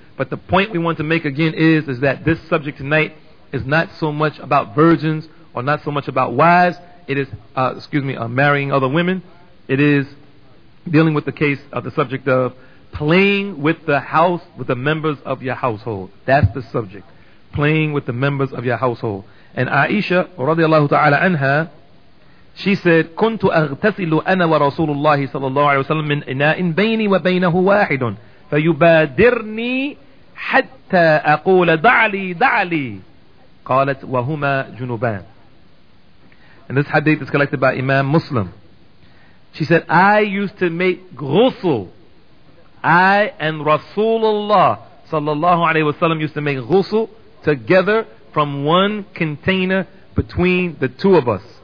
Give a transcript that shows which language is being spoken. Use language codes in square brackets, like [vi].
[en] But the point we want to make again is that this subject tonight is not so much about virgins or not so much about wives. It is, marrying other women. It is dealing with the case of the subject of playing with the house, with the members of your household. That's the subject. Playing with the members of your household. And Aisha radiallahu ta'ala anha, she said, [ar] كنت أغتسل أنا ورسول الله صلى الله عليه وسلم من إناء بيني وبينه واحد فيبادرني حتى أقول دعلي دعلي قالت وهما جنوبان. [en] And this hadith is collected by Imam Muslim. She said, I used to make ghusl. I and Rasulullah [ar] صلى الله عليه وسلم [en] used to make ghusl together from one container between the two of us.